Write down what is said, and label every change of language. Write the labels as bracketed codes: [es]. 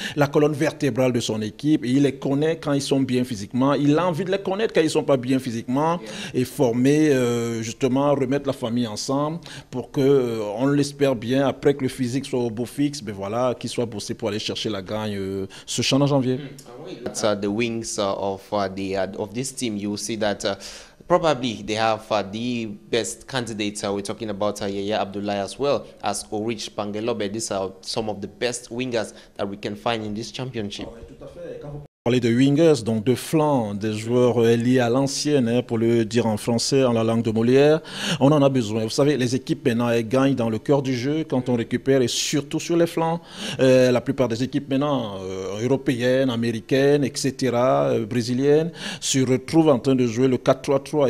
[fr] la colonne vertébrale de son équipe, et il les connaît quand ils sont bien physiquement, il a envie de les connaître quand ils ne sont pas bien physiquement, et former justement, remettre la famille ensemble, pour qu'on l'espère bien, après que le physique soit au beau fixe, ben voilà, qu'il soit bossé pour aller chercher la gagne ce champ en janvier. [en] That's the wings of this team, you see that probably they have the best candidates. We're talking about Yaya Abdoulaye as well as Orich Pangelobe. These are some of the best wingers that we can find in this championship. [fr] Parler de wingers, donc de flancs, des joueurs liés à l'ancienne, hein, pour le dire en français, en la langue de Molière, on en a besoin. Vous savez, les équipes maintenant, elles gagnent dans le cœur du jeu quand on récupère et surtout sur les flancs. La plupart des équipes maintenant, européennes, américaines, etc., brésiliennes, se retrouvent en train de jouer le 4-3-3.